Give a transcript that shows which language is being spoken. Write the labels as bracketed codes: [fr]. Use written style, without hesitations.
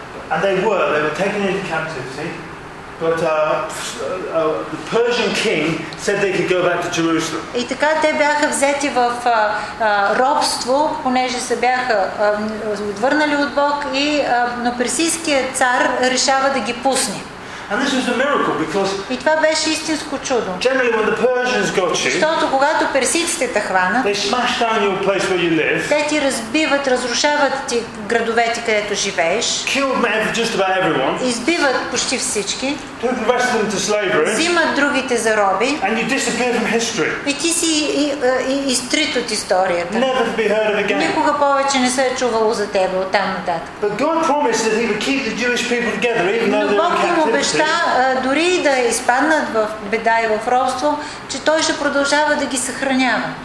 [en] And they were taken into captivity. But the Persian king said they could go back to Jerusalem. [bg] И така те бяха взети в робство, понеже се бяха отвърнали от Бог, и но персийският цар решава да ги пусне. [en] And this was a miracle because. [bg] И това беше истинско чудо. [en] Generally, when the Persians got you. [bg] Защото когато персиците те хванат. [en] They smash down your place where you live. [bg] Те ти разбиват, разрушават ти градовете, където живееш. [en] Killed just about everyone. [bg] Избиват почти всички. [en] Took the rest of them to slavery. [bg] Взимат другите за роби. [en] And you disappear from history. [bg] И ти си изтрит от историята. [en] Never to be heard of again. [bg] Никога повече не се е чувало за тебе оттам нататък. [en] But God promised that He would keep the Jewish people together, even though they were captive. [bg] Дори и да изпаднат в беда и в робство, че той ще продължава да ги съхранява.